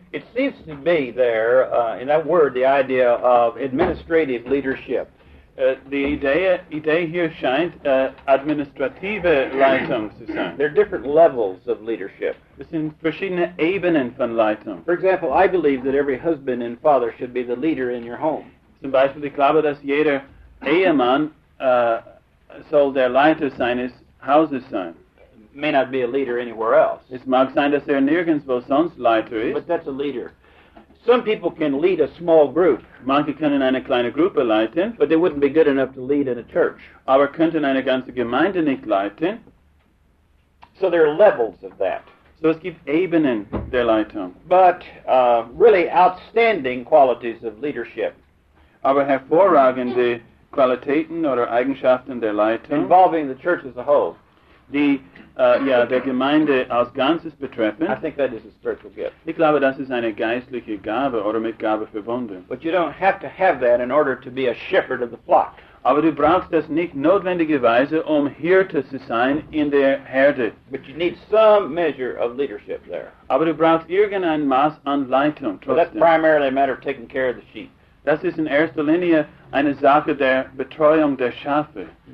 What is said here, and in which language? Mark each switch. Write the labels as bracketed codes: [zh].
[en] It seems to be there, in that word, the idea of administrative leadership. The idea here [de] scheint administrative Leitung zu sein. [en] There are different levels of leadership. [de] Es sind verschiedene Ebenen von Leitung. [en] For example, I believe that every husband and father should be the leader in your home. [de] Zum Beispiel, ich glaube, dass jeder Ehemann soll der Leiter seines Hauses sein. [en] May not be a leader anywhere else. [de] Es mag sein, dass er nirgends wo sonst Leiter ist. [en] But that's a leader. Some people can lead a small group. [de] Manche können eine kleine Gruppe leiten. [en] But they wouldn't be good enough to lead in a church. [de] Aber könnten eine ganze Gemeinde nicht leiten. [en] So there are levels of that. [de] So es gibt Ebenen der Leitung. [en] But really outstanding qualities of leadership. [de] Aber hervorragende Qualitäten oder Eigenschaften der Leitung. [en] Involving the church as a whole. [de] Der Gemeinde als Ganzes betreffend. [en] I think that is a spiritual gift. [de] Ich glaube, das ist eine geistliche Gabe oder mit Gabe verbunden. [en] But you don't have to have that in order to be a shepherd of the flock. [de] Aber du brauchst das nicht notwendigerweise, Hirte zu sein in der Herde. [en] But you need some measure of leadership there. [de] Aber du brauchst irgendein Maß an Leitung. [en] Well, that's primarily a matter of taking care of the sheep. [de] Das ist in erster Linie eine Sache der Betreuung der Schafe.